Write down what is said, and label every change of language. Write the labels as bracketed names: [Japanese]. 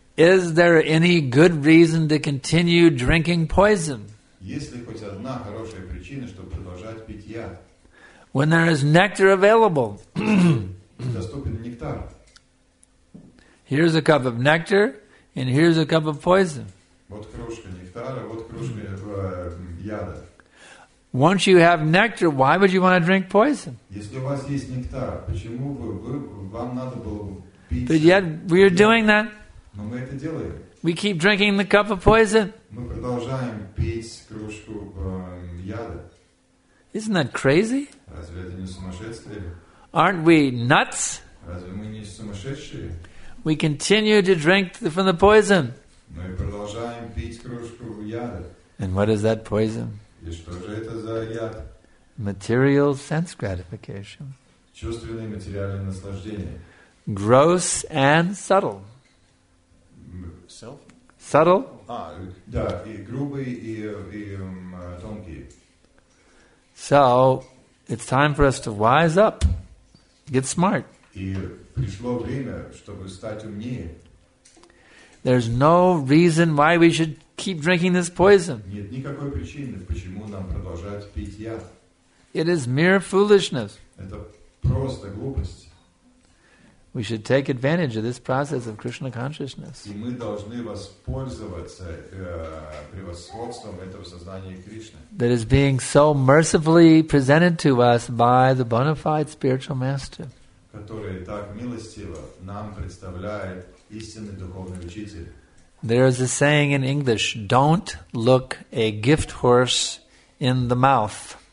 [English] Is there any good reason to continue drinking poison? [Russian] Есть ли хоть одна хорошая причина, чтобы продолжать пить яд? [English] When there is nectar available. [Russian] Доступен нектар. [English] Here's a cup of nectar, and here's a cup of poison. [Russian] Вот кружка нектара, вот кружка яда. [English] Once you have nectar, why would you want to drink poison? [Russian] Если у вас есть нектар, почему вам надо было бы пить? [English] But yet we are doing that. [Russian] Но мы это делаем. [English] We keep drinking the cup of poison. [Russian] Мы продолжаем пить кружку яда. [English] Isn't that crazy? [Russian] Разве это не сумасшествие? [English] Aren't we nuts? [Russian] Разве мы не сумасшедшие? [English] We continue to drink from the poison. [Russian] Мы продолжаем пить кружку яда. [English] And what is that poison? Material sense gratification. [Russian] Чувственные материальные наслаждения. [English] Gross and subtle. Self? Subtle? [Russian] Да, и грубый, и тонкий. [English] So, it's time for us to wise up. Get smart. [Russian] И пришло время, чтобы стать умнее. [English] There's no reason why we should keep drinking this poison. [Russian] Нет никакой причины, почему нам продолжать пить яд. [English] It is mere foolishness. [Russian] Это просто глупость. [English] We should take advantage of this process of Krishna consciousness. [Russian] И мы должны воспользоваться превосходством этого сознания Кришны. [English] That is being so mercifully presented to us by the bona fide spiritual master. [Russian] Который так милостиво нам представляет истинный духовный учитель. [English] There is a saying in English: "Don't look a gift horse in the mouth."